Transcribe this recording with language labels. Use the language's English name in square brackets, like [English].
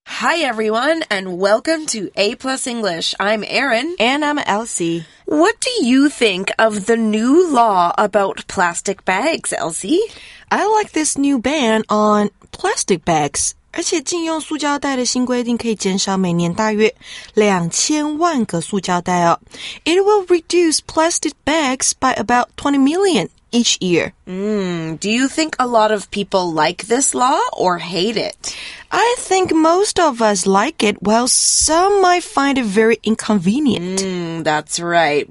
[English] Hi, everyone, and welcome to A Plus English. I'm Erin. And I'm Elsie. What do you think of the new law about plastic bags, Elsie? I like this new ban on plastic bags. [Chinese] 而且禁用塑胶袋的新规定可以减少每年大约2000万个塑胶袋哦。 [English] It will reduce plastic bags by about 20 million each year. Do you think a lot of people like this law or hate it? I think most of us like it, while some might find it very inconvenient. That's right.